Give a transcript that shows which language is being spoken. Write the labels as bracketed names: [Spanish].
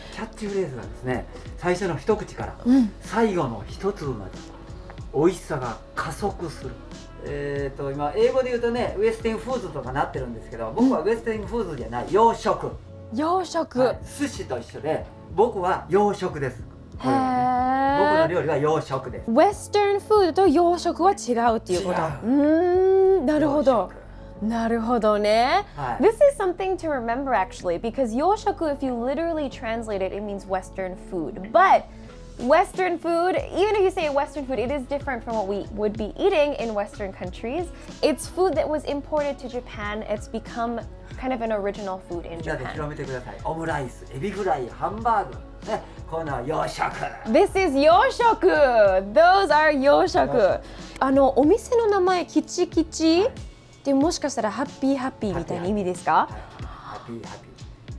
[Japanese] キャッチフレーズがですね、最初の一口から最後の一粒まで美味しさが加速する、今英語で言うとね、ウエスティンフーズとかなってるんですけど、僕はウエスティンフーズじゃない、洋食。洋食、はい、寿司と一緒で僕は洋食です。へ、僕の料理は洋食です。ウエスティンフーズと洋食は違うっていうこと。なるほど、なるほどね、はい、 [English] This is something to remember actually, because yoshoku, if you literally translate it, it means western food. But western food, even if you say western food, it is different from what we would be eating in western countries. It's food that was imported to Japan. It's become kind of an original food in Japan. [Japanese] じゃあ広めてください。オムライス、エビフライ、ハンバーグ、ね、この yoshoku。 [English] This is yoshoku. Those are yoshoku. [Japanese] あのお店の名前、キチキチ、でもしかしたらハッピーハッピーみたいな意味ですか？ハッピーハッピー、